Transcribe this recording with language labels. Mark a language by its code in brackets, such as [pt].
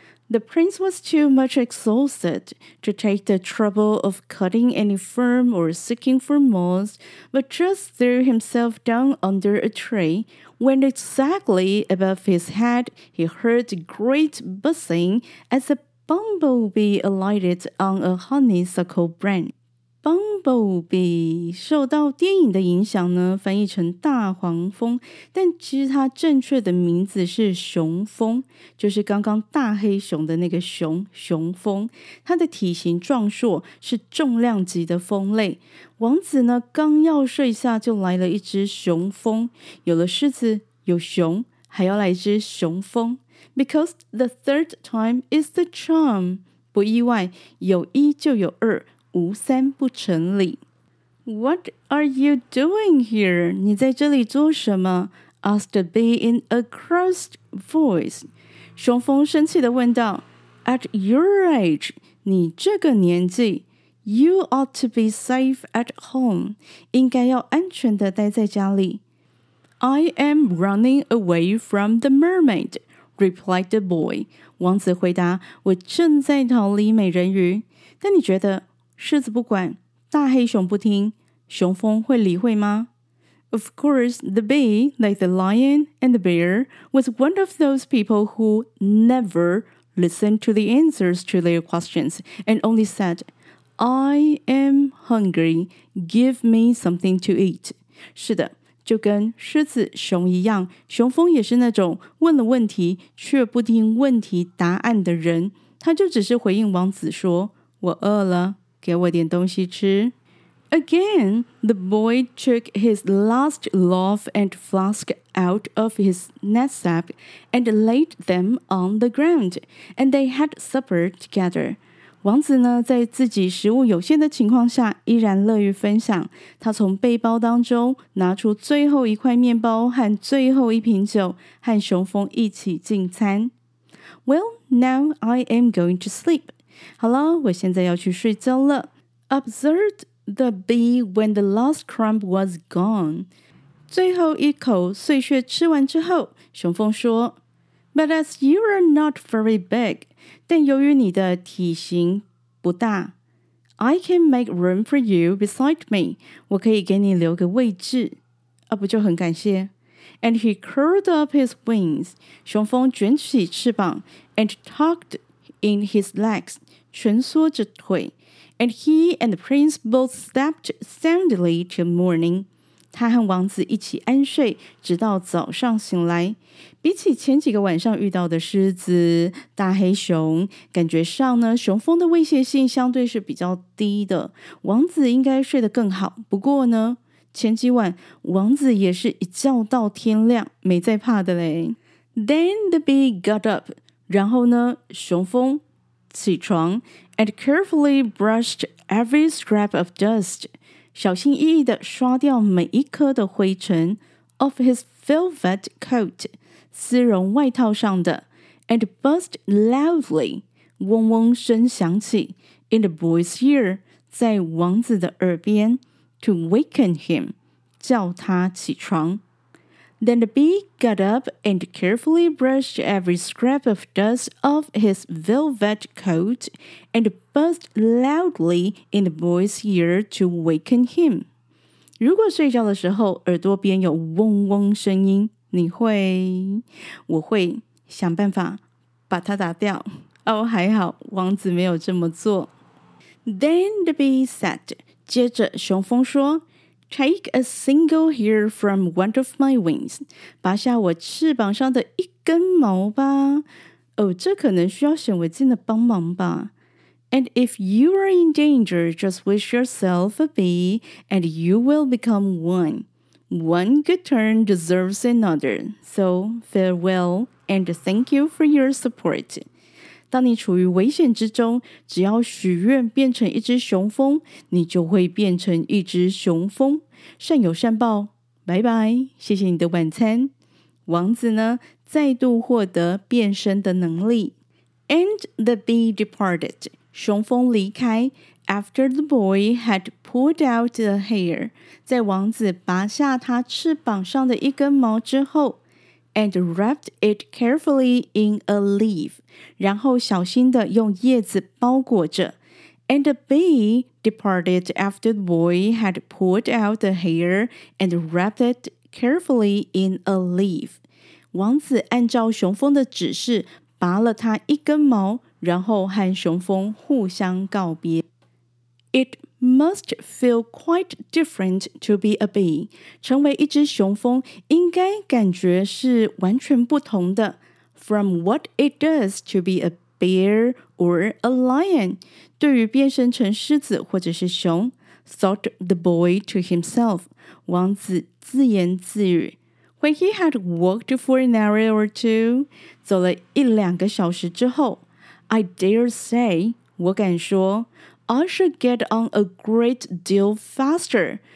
[en] The prince was too much exhausted to take the trouble of cutting any fern or seeking for moss, but just threw himself down under a tree. When exactly above his head, he heard great buzzing as a bumblebee alighted on a honeysuckle branch. [zh] Bumblebee 受到电影的影响呢，翻译成大黄蜂，但其实它正确的名字是雄蜂，就是刚刚大黑熊的那个熊，雄蜂。它的体型壮硕，是重量级的蜂类。王子呢，刚要睡下，就来了一只雄蜂。有了狮子，有熊，还要来一只雄蜂。 [en] Because the third time is the charm. [zh] 不意外，有一就有二。无三不成理。 [en] What are you doing here? [zh] 你在这里做什么? [en] Asked the bee in a cross voice. [zh] 雄蜂生气地问道。 [en] At your age, [zh] 你这个年纪, [en] you ought to be safe at home. [zh] 应该要安全地待在家里。 [en] I am running away from the mermaid, replied the boy. [zh] 王子回答,我正在逃离美人鱼。但你觉得狮子不管，大黑熊不听，雄蜂会理会吗？ [en] Of course, the bee, like the lion and the bear, was one of those people who never listened to the answers to their questions and only said, I am hungry, give me something to eat. [zh] 是的，就跟狮子熊一样，雄蜂也是那种问了问题却不听问题答案的人，他就只是回应王子说，我饿了。给我点东西吃。 [en] Again, the boy took his last loaf and flask out of his knapsack and laid them on the ground, and they had supper together. [zh] 王子呢，在自己食物有限的情况下，依然乐于分享。他从背包当中拿出最后一块面包和最后一瓶酒，和雄蜂一起进餐。 [en] Well, now I am going to sleep. [zh] 好了，我现在要去睡觉了。 [en] Observed the bee when the last crumb was gone. [zh] 最后一口碎屑吃完之后，雄蜂说 [en] But as you are not very big, [zh] 但由于你的体型不大 [en] I can make room for you beside me. [zh] 我可以给你留个位置。啊，不就很感谢。 [en] And he curled up his wings. [zh] 雄蜂卷起翅膀 [en] and tucked in his legs, [zh] 蜷缩着腿, [en] and he and the prince both slept soundly till morning. [zh] 他和王子一起安睡,直到早上醒来。比起前几个晚上遇到的狮子、大黑熊,感觉上呢,雄蜂的威胁性相对是比较低的。王子应该睡得更好,不过呢,前几晚,王子也是一觉到天亮,没再怕的嘞。 [en] Then the bee got up, [zh] 然后呢，雄蜂起床 [en] and carefully brushed every scrap of dust, [zh] 小心翼翼地刷掉每一颗的灰尘 [en] off his velvet coat, [zh] 丝绒外套上的 [en] and buzzed loudly, [zh] 嗡嗡声响起 [en] in the boy's ear, [zh] 在王子的耳边 [en] to waken him, [zh] 叫他起床。 [en] Then the bee got up and carefully brushed every scrap of dust off his velvet coat and buzzed loudly in the boy's ear to waken him. [zh] 如果睡觉的时候耳朵边有嗡嗡声音，你会？我会想办法把它打掉。哦，还好，王子没有这么做。 [en] Then the bee said, [zh] 接着雄蜂说 [en] Take a single hair from one of my wings. [zh] 拔下我翅膀上的一根毛吧。哦，这可能需要显微镜的帮忙吧。 [en] And if you are in danger, just wish yourself a bee, and you will become one. One good turn deserves another. So, farewell, and thank you for your support. [zh] 当你处于危险之中，只要许愿变成一只雄蜂，你就会变成一只雄蜂。善有善报，拜拜，谢谢你的晚餐。王子呢，再度获得变身的能力。 [en] And the bee departed. [zh] 雄蜂离开。 [en] After the boy had pulled out the hair. [zh] 在王子拔下他翅膀上的一根毛之后。 [en] and wrapped it carefully in a leaf. [zh] 然后小心地用叶子包裹着。 [en] And the bee departed after the boy had pulled out the hair and wrapped it carefully in a leaf. [zh] 王子按照雄蜂的指示拔了它一根毛，然后和雄蜂互相告别。 [en] It must feel quite different to be a bee. [zh] 成为一只雄蜂应该感觉是完全不同的。 [en] From what it does to be a bear or a lion. [zh] 对于变身成狮子或者是熊。 [en] Thought the boy to himself. [zh] 王子自言自语。 [en] When he had walked for an hour or two. [zh] 走了一两个小时之后。 [en] I dare say, [zh] 我敢说。 [en] I should get on a great deal faster.